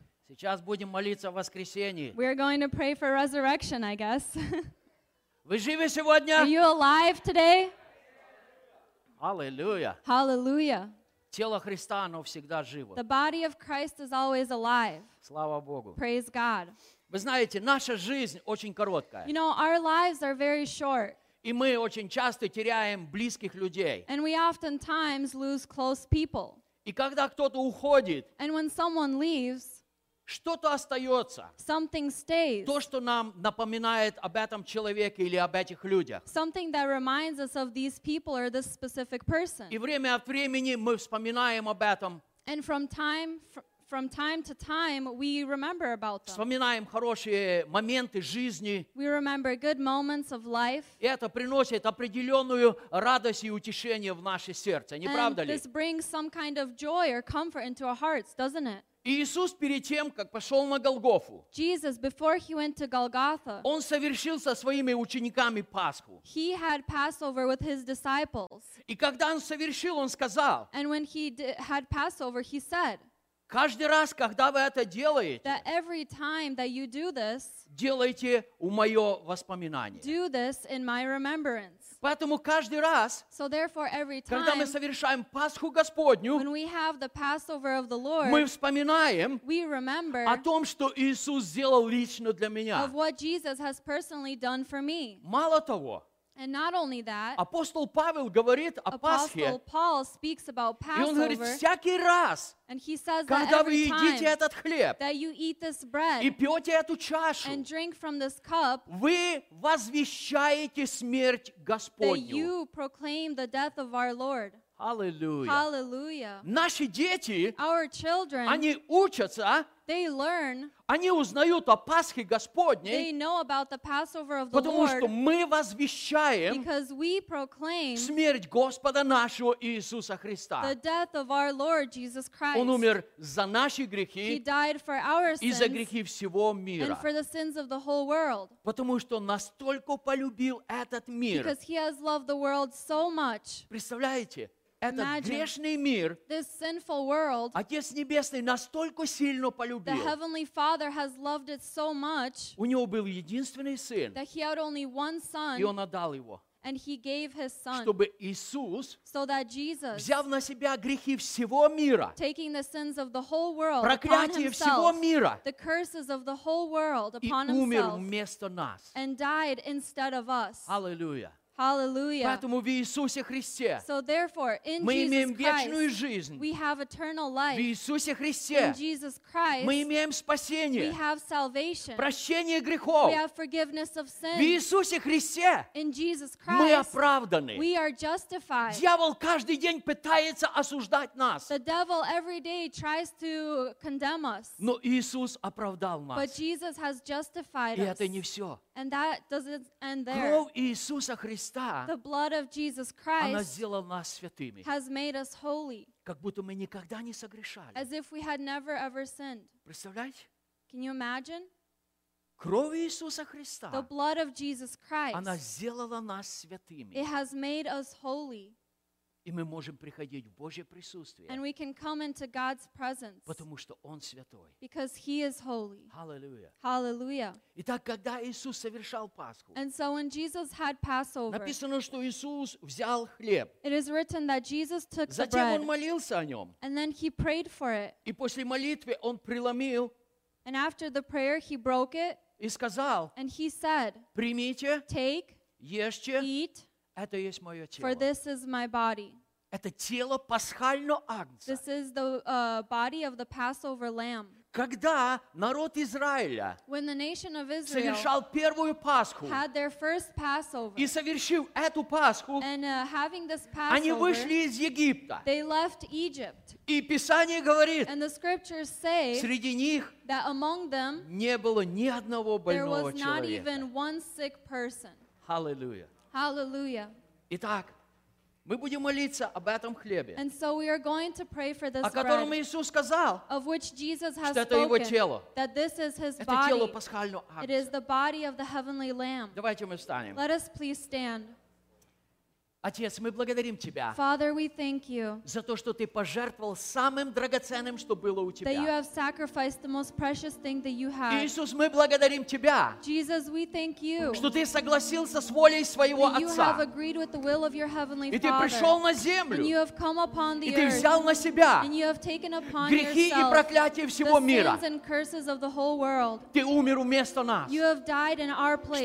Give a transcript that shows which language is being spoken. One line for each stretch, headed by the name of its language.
Russian: Сейчас будем молиться в воскресенье.
English: We are going to pray for resurrection, I guess.
Russian: Вы живы сегодня?
English: Are you alive today?
Russian: Аллилуйя.
English: Hallelujah.
Russian: Тело Христа, оно всегда живо.
English: The body of Christ is always alive.
Russian: Слава Богу.
English: Praise God.
Russian: Вы знаете, наша жизнь очень короткая.
English: You know, our lives are very short.
Russian: И мы очень часто теряем близких людей.
English: And we oftentimes lose close people.
Russian: И когда кто-то уходит,
English: and when someone leaves,
Russian: что-то остается.
English: Something stays.
Russian: То, что нам напоминает об этом человеке или об этих людях.
English: Something that reminds us of these people or this specific person.
Russian: И время от времени мы вспоминаем об этом.
English: And from time to time, we remember about them.
Russian: Вспоминаем хорошие моменты жизни.
English: We remember good moments of life.
Russian: И это приносит определенную радость и утешение в наше сердце, не правда ли?
English: And this brings some kind of joy or comfort into our hearts, doesn't it?
Russian: И Иисус перед тем, как пошел на Голгофу,
English: Jesus, before he went to Golgotha,
Russian: он совершил со своими учениками Пасху.
English: He had Passover with his disciples.
Russian: И когда он совершил, он сказал,
English: and when he had Passover, he said,
Russian: каждый раз, когда вы это делаете,
English: that you do this,
Russian: делайте у мое воспоминание.
English: Do this in my remembrance.
Russian: Поэтому каждый раз,
English: so therefore every time,
Russian: когда мы совершаем Пасху Господню,
English: when we have the Passover of the Lord,
Russian: мы вспоминаем,
English: we remember,
Russian: о том, что Иисус сделал лично для меня.
English: Of what Jesus has personally done for me.
Russian: Мало того,
English: and not only that,
Russian: апостол Павел говорит о Пасхе.
English: Apostle Paul speaks about Passover.
Russian: И он говорит, всякий раз,
English: and he says
Russian: когда
English: that every
Russian: вы едите
English: time
Russian: этот хлеб,
English: that you eat this bread,
Russian: и пьете эту чашу,
English: and drink from this cup,
Russian: вы возвещаете смерть Господню.
English: That you proclaim the death of our Lord. Hallelujah. Hallelujah.
Russian: Наши дети,
English: our children,
Russian: они учатся,
English: they learn,
Russian: они узнают о Пасхе Господней,
English: they know about the Passover of the
Russian: потому
English: Lord,
Russian: что мы возвещаем,
English: because we proclaim,
Russian: смерть Господа нашего Иисуса Христа.
English: The death of our Lord Jesus Christ.
Russian: Он умер за наши грехи,
English: he died for our sins,
Russian: и за грехи всего мира,
English: and for the sins of the whole world,
Russian: потому что настолько полюбил этот мир,
English: because he has loved the world so much.
Russian: Представляете? Этот грешный мир,
English: this sinful world,
Russian: Отец Небесный настолько сильно полюбил,
English: the Heavenly Father has loved it so much,
Russian: у него был единственный сын,
English: that he had only one son,
Russian: и он отдал его,
English: and he gave his son,
Russian: чтобы Иисус,
English: so that Jesus,
Russian: взяв на себя грехи всего мира,
English: taking the sins of the whole world,
Russian: проклятие всего мира,
English: the curses of the whole world upon
Russian: и умер вместо нас,
English: and died instead of us.
Russian: Аллилуйя.
English: Hallelujah.
Russian: Поэтому в Иисусе Христе
English: so therefore, in
Russian: мы
English: Jesus
Russian: имеем вечную
English: Christ,
Russian: жизнь.
English: We have eternal life.
Russian: В Иисусе Христе
English: in Jesus Christ,
Russian: мы имеем спасение.
English: We have salvation.
Russian: Прощение грехов.
English: We have forgiveness of sins.
Russian: В Иисусе Христе
English: in Jesus Christ,
Russian: мы оправданы.
English: We are justified.
Russian: Дьявол каждый день пытается осуждать нас.
English: The devil every day tries to condemn us.
Russian: Но Иисус оправдал нас.
English: But Jesus has justified
Russian: и это не все.
English: And that doesn't end there.
Russian: Кров Иисуса Христа,
English: the blood of Jesus Christ,
Russian: она сделала нас святыми.
English: Has made us holy.
Russian: Как будто мы никогда не согрешали.
English: As if we had never ever sinned.
Russian: Представляете?
English: Can you imagine?
Russian: Кров Иисуса Христа,
English: the blood of Jesus Christ,
Russian: она сделала нас святыми.
English: It has made us holy.
Russian: И мы можем приходить в Божье присутствие.
English: And we can come into God's presence.
Russian: Потому что Он святой.
English: Because He is holy. Hallelujah. Hallelujah.
Russian: Итак, когда Иисус совершал Пасху,
English: and so when Jesus had Passover,
Russian: написано, что Иисус взял хлеб.
English: It is written that Jesus took the bread.
Russian: Затем Он молился о нем.
English: And then He prayed for it.
Russian: И после молитвы Он преломил.
English: And after the prayer, He broke it.
Russian: И сказал,
English: and He said,
Russian: примите,
English: take,
Russian: ешьте,
English: eat,
Russian: это есть мое тело.
English: For this is my body.
Russian: Это тело пасхального агнца.
English: This is the body of the Passover lamb.
Russian: Когда народ Израиля,
English: when the nation of Israel,
Russian: совершал первую Пасху,
English: had their first Passover,
Russian: и совершив эту Пасху,
English: and having this Passover,
Russian: они вышли из Египта.
English: They left Egypt.
Russian: И Писание говорит,
English: and the scriptures say,
Russian: среди них,
English: that among them,
Russian: не было ни одного больного человека.
English: There was not even one sick person. Hallelujah. Hallelujah.
Russian: Итак, мы будем молиться об этом хлебе,
English: and so we are going to pray for this
Russian: о котором
English: bread,
Russian: Иисус сказал,
English: of which Jesus has
Russian: что это
English: spoken,
Russian: его тело.
English: That this is his
Russian: это
English: body.
Russian: Тело пасхального агнца.
English: It is the body of the heavenly lamb.
Russian: Давайте мы встанем.
English: Let us please stand.
Russian: Отец, мы благодарим Тебя,
English: Father, we thank you,
Russian: за то, что Ты пожертвовал самым драгоценным, что было у Тебя.
English: That you have sacrificed the most precious thing that you had.
Russian: Иисус, мы благодарим Тебя,
English: Jesus, we thank you,
Russian: что Ты согласился с волей Своего
English: that
Russian: Отца.
English: You have agreed with the will of your heavenly Father,
Russian: и Ты пришел на землю,
English: and you have come upon the
Russian: и Ты взял
English: earth,
Russian: на Себя
English: and you have taken upon
Russian: грехи
English: yourself,
Russian: и проклятия всего
English: the
Russian: мира.
English: Sins and curses of the whole world.
Russian: Ты умер вместо нас,
English: you have died in our place,